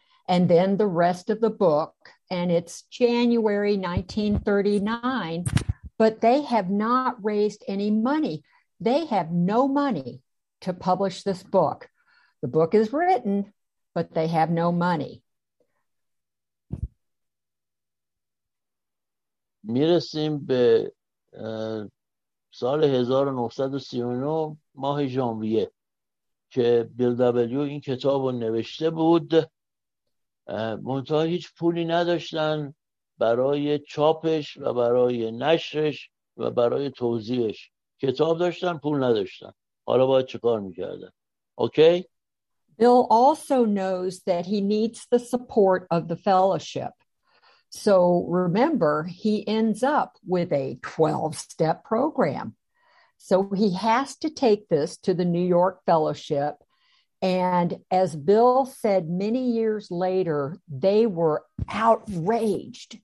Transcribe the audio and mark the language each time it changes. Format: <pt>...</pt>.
<en>And then the rest of the book, and it's January 1939, but they have not raised any money. They have no money to publish this book. The book is written, but they have no money.</en> <fa>میرسیم به سال 1939 ماه ژانویه که بیل دبلیو این کتاب رو نوشته بود. منتها هیچ پولی نداشتن برای چاپش و برای نشرش و برای توزیعش. کتاب داشتن، پول نداشتن. حالا باید چه کار میکردن؟ اوکی؟</fa> <en>Bill also knows that he needs the support of the fellowship. So remember, he ends up with a 12-step program. So he has to take this to the New York Fellowship. And as Bill said many years later, they were outraged.</en>